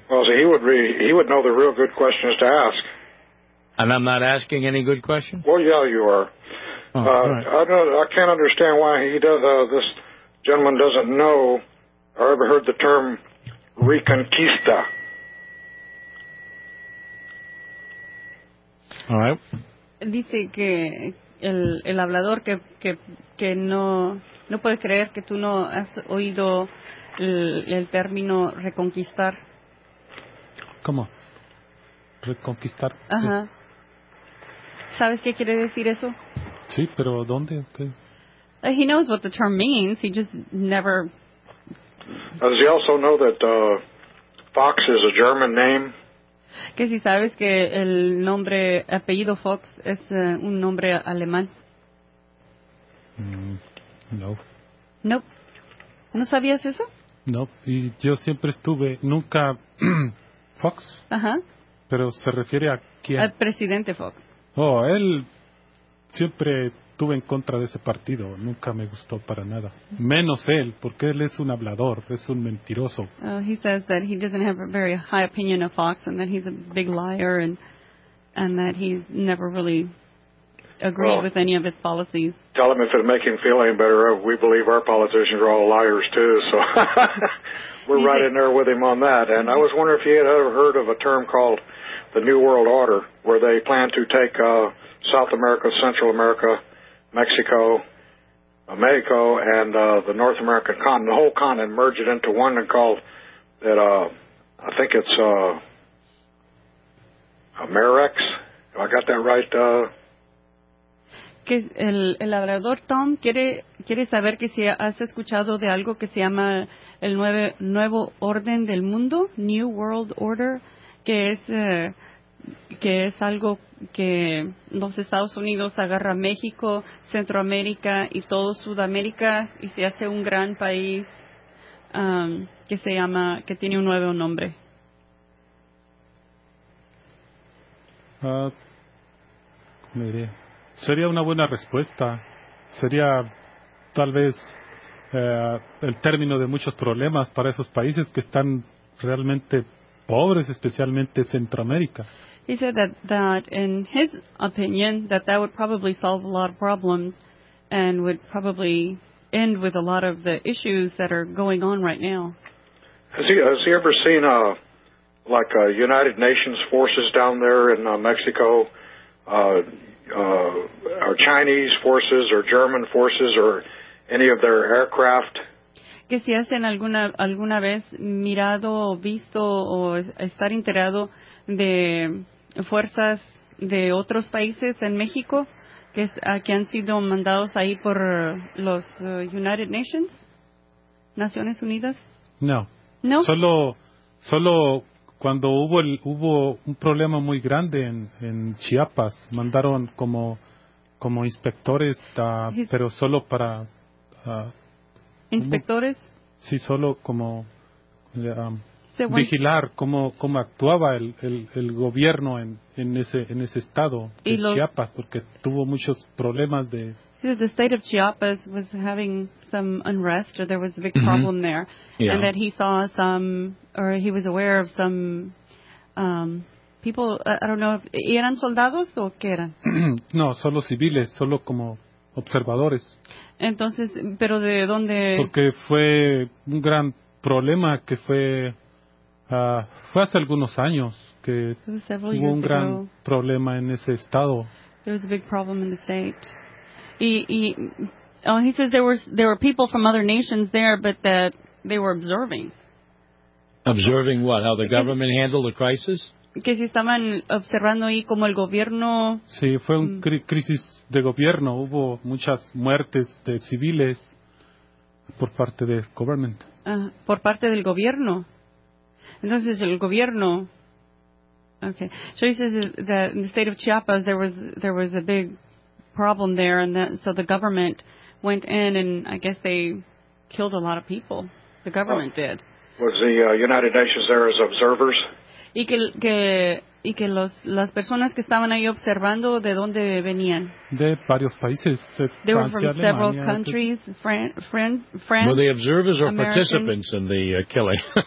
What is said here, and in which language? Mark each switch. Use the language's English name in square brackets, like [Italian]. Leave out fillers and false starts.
[English] well, see, he would know the real good questions to ask. And I'm not asking any good questions? Well, yeah, you are. Oh, right. I can't understand why he does. This gentleman doesn't know or ever heard the term Reconquista. All right. [Spanish] Dice que el hablador que no puede creer que tú no has oído el término reconquistar. ¿Cómo? Reconquistar. Ajá. ¿Sabes qué quiere decir eso? Sí, pero ¿dónde? [English] He knows what the term means. He just never... Does he also know that Fox is a German name? [Spanish] Que si sabes que el nombre, apellido Fox, es un nombre alemán. No. [English] Nope. [Spanish] ¿No sabías eso? No, y yo siempre estuve, nunca Fox. Ajá. Pero se refiere a quién. Al presidente Fox. Oh, él siempre estuve en contra de ese partido. Nunca me gustó para nada. Menos él, porque él es un hablador, es un mentiroso. [English] He says that he doesn't have a very high opinion of Fox, and that he's a big liar, and that he never really agreed with any of his policies. Tell him if it'll make him feel any better, we believe our politicians are all liars, too. So we're right in there with him on that. And I was wondering if he had ever heard of a term called the New World Order, where they plan to take South America, Central America, Mexico, Mexico, and the North American continent, the whole continent, merge it into one and call it, I think it's Amerex. Have I got that right, [Spanish] Que el hablador Tom quiere saber que si has escuchado de algo que se llama el nuevo orden del mundo, [English] New World Order, [Spanish] que es algo que los Estados Unidos agarra México, Centroamérica y todo Sudamérica y se hace un gran país que tiene un nuevo nombre. Mire. Sería una buena respuesta. Sería tal vez el término de muchos problemas para esos países que están realmente pobres, especialmente Centroamérica. [English] He said that in his opinion, that would probably solve a lot of problems and would probably end with a lot of the issues that are going on right now. Has he ever seen United Nations forces down there in Mexico? Our Chinese forces or German forces or any of their aircraft. [Spanish] Que si hacen alguna vez mirado o visto o estar enterado de fuerzas de otros países en México que han sido mandados ahí por los United Nations, Naciones Unidas? No. No. Solo cuando hubo un problema muy grande en Chiapas, mandaron como inspectores, pero solo para... ¿Inspectores? Sí, solo como vigilar cómo actuaba el gobierno en ese estado de Chiapas, porque tuvo muchos problemas de... [English] The state of Chiapas was having some unrest, or there was a big problem there, yeah. And that he saw some, or he was aware of some people. I don't know. [Spanish] ¿Eran soldados o qué eran? No, solo civiles, solo como observadores. Entonces, pero de dónde? Porque fue un gran problema que fue hace algunos años que hubo un gran problema en ese estado. [English] There was a big problem in the state. He says there were people from other nations there, but that they were observing. Observing what? How the government handled the crisis? [Spanish] Que si estaban observando ahí como el gobierno. Sí, fue una crisis de gobierno. Hubo muchas muertes de civiles por parte del [English] government. [Spanish] Por parte del gobierno. Entonces el gobierno. Okay. [English] So he says that in the state of Chiapas there was a big problem there, and so the government went in, and I guess they killed a lot of people. The government did. Was the United Nations there as observers? [Spanish] Y que las personas que estaban ahí observando, ¿de dónde venían? De varios países. [English] They were from several countries, France, were they observers or participants in the killing?